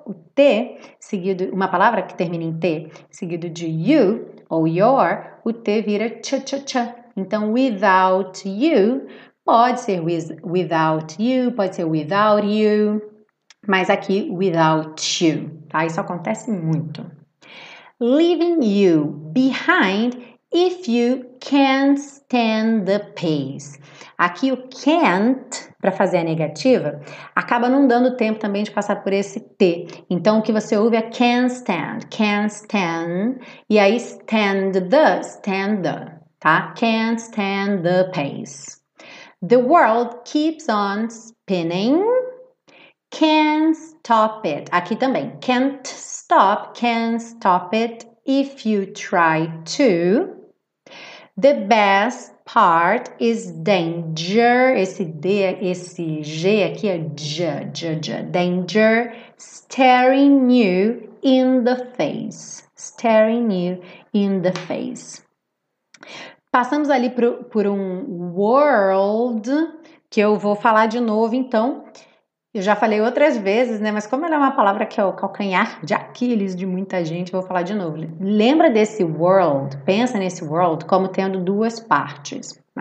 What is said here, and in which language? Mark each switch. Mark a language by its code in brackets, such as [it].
[pt] O T seguido, uma palavra que termina em T seguido de you ou your, o T vira cha-cha-cha. Então, without you pode ser without you, pode ser without you, mas aqui without you, tá? Isso acontece muito. [en] Leaving you behind. If you can't stand the pace. [pt] Aqui o can't, para fazer a negativa, acaba não dando tempo também de passar por esse T. Então o que você ouve é can't stand, e aí stand the, tá? [en] Can't stand the pace. The world keeps on spinning, can't stop it. [pt] Aqui também, [en] can't stop it if you try to. The best part is danger. [pt] Esse D, esse G aqui é j. [en] Danger staring you in the face. Staring you in the face. [pt] Passamos ali por um world que eu vou falar de novo, então. Eu já falei outras vezes, né? Mas como ela é uma palavra que é o calcanhar de Aquiles de muita gente, eu vou falar de novo. Lembra desse world? Pensa nesse world como tendo duas partes.